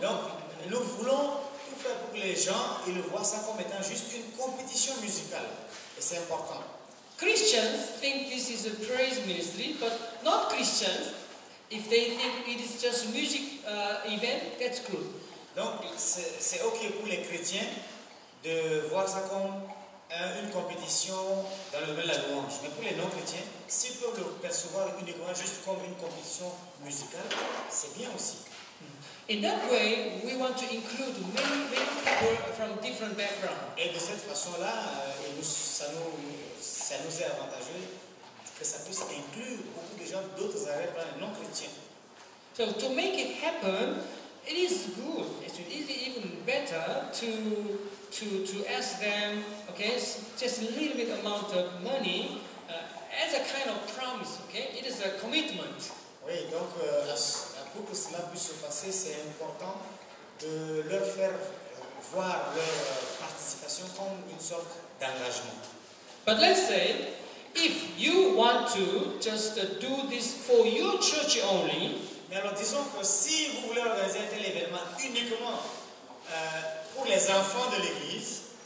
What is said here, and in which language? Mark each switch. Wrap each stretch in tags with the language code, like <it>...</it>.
<fr>Donc, nous voulons tout faire pour que les gens ils le voient ça comme étant juste une compétition musicale. Et c'est important.</fr> <en>Christians think this is a praise ministry, but not Christians. If they think it is just music event, that's good.</en> <fr>Donc, c'est ok pour les chrétiens de voir ça comme une compétition dans le domaine de la louange. Mais pour les non-chrétiens, s'ils peuvent le percevoir uniquement juste comme une compétition musicale, c'est bien aussi.</fr> <en>In that way, we want to include many, many people from different backgrounds.</en> <fr>Et de cette façon-là, ça nous est avantageux que ça puisse inclure beaucoup de gens d'autres arrières-plans non-chrétiens.</fr> <en>So, to make it happen, it is good, it is even better to ask them, okay, just a little bit amount of money as a kind of promise, okay? It is a commitment.</en> <fr>Oui, donc pour que cela puisse se passer, c'est important de leur faire voir leur participation comme une sorte d'engagement.</fr> <en>But let's say, if you want to just do this for your church only.</en> <fr>Mais alors disons que si vous voulez organiser un tel événement uniquement pour les enfants de l'église.</fr>